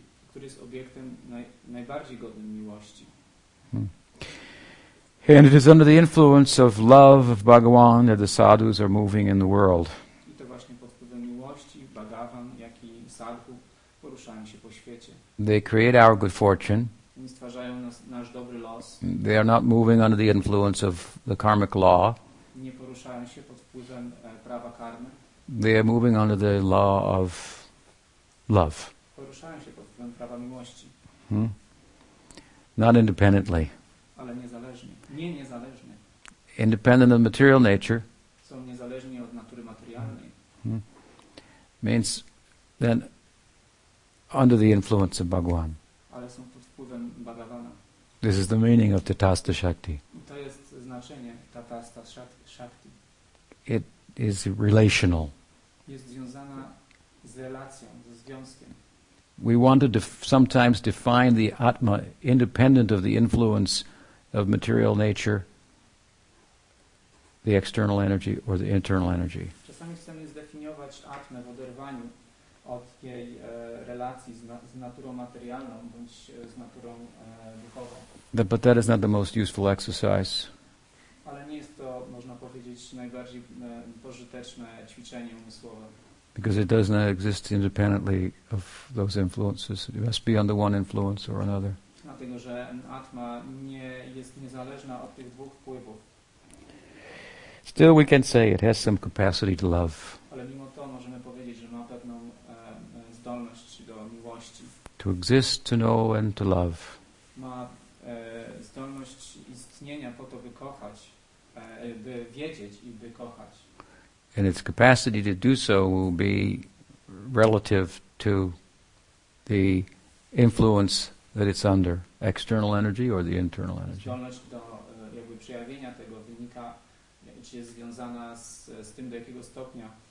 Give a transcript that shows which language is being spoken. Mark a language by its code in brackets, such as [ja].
[pl] Który jest obiektem najbardziej godnym miłości. [en] And it is under the influence of love of Bhagavan that the sadhus are moving in the world. [pl] I to właśnie pod wpływem miłości Bhagavan, jak i sadhu poruszają się po świecie. [en] They create our good fortune. [pl] Oni stwarzają nasz dobry los. [en] They are not moving under the influence of the karmic law. [pl] Nie poruszają się pod wpływem prawa karmy. [en] They are moving under the law of love. [pl] Poruszają się pod wpływem prawa miłości. [en] Not independently. [pl] Ale niezależnie. Nie niezależnie. [en] Independent of material nature. [pl] Są niezależni od natury materialnej. [en] Means then under the influence of Bhagwan. [pl] Ale są pod wpływem Bhagavana. [en] This is the meaning of Tatastha Shakti. [pl] To jest znaczenie Tatastha Shakti. [en] It is relational. [pl] Jest związana z relacją, ze związkiem. [en] We want to sometimes define the Atma independent of the influence of material nature, the external energy or the internal energy. [pl] Czasami chcemy zdefiniować Atmę w oderwaniu od jej relacji z naturą materialną bądź z naturą duchową. [en] But that is not the most useful exercise. [pl] Ale nie jest to, można powiedzieć, najbardziej pożyteczne ćwiczenie umysłowe. [en] Because it does not exist independently of those influences. It must be under one influence or another. [pl] Dlatego, że Atma nie jest niezależna od tych dwóch wpływów. [en] Still we can say it has some capacity to love. [pl] Ale mimo to możemy powiedzieć, że ma pewną zdolność do miłości. [en] To exist, to know and to love. [pl] Ma zdolność istnienia po to, by kochać, by wiedzieć i by kochać. [en] And its capacity to do so will be relative to the influence that it's under, external energy or the internal energy. [pl] Zdolność do jakby przejawienia tego wynika, czy jest związana z tym, do jakiego stopnia